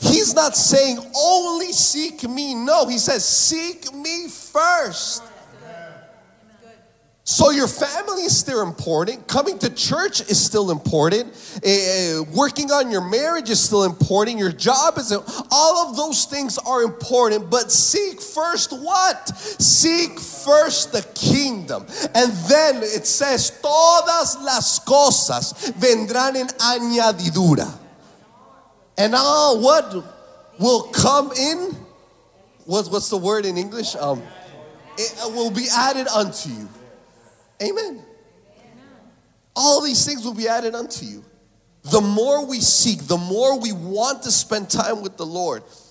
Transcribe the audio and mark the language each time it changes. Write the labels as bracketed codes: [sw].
[en] He's not saying only seek me. No, he says seek me first. So your family is still important. Coming to church is still important. Working on your marriage is still important. Your job is important. All of those things are important. But seek first what? Seek first the kingdom. And then it says, [es] todas las cosas vendrán en añadidura. [en] And all what will come in? What's the word in English? It will be added unto you. Amen. All these things will be added unto you. The more we seek, the more we want to spend time with the Lord.